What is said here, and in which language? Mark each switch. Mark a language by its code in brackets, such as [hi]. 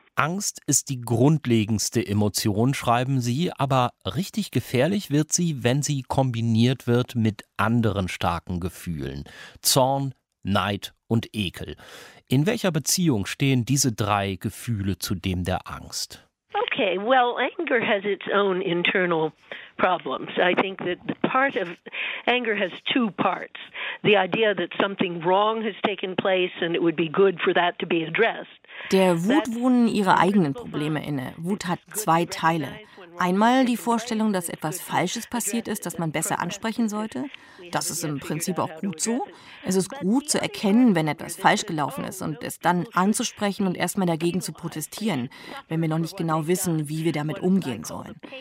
[de] Angst ist die grundlegendste Emotion, schreiben Sie, aber richtig gefährlich wird sie, wenn sie kombiniert wird mit anderen starken Gefühlen. Zorn, Neid und Ekel. In welcher Beziehung stehen diese drei Gefühle zu dem der Angst? [en] Okay, well, anger has its own internal problems. I think that the part of anger has two parts. The idea that something wrong has taken place and it would be good for that to be addressed. [de] Der Wut wohnen ihre eigenen Probleme inne. Wut hat zwei Teile. Einmal die Vorstellung, dass etwas Falsches passiert ist, das man besser ansprechen sollte. Das ist im Prinzip auch gut so. Es ist gut zu erkennen, wenn etwas falsch gelaufen ist und es dann anzusprechen und erstmal dagegen zu protestieren, wenn wir noch nicht genau wissen, wie wir damit umgehen sollen.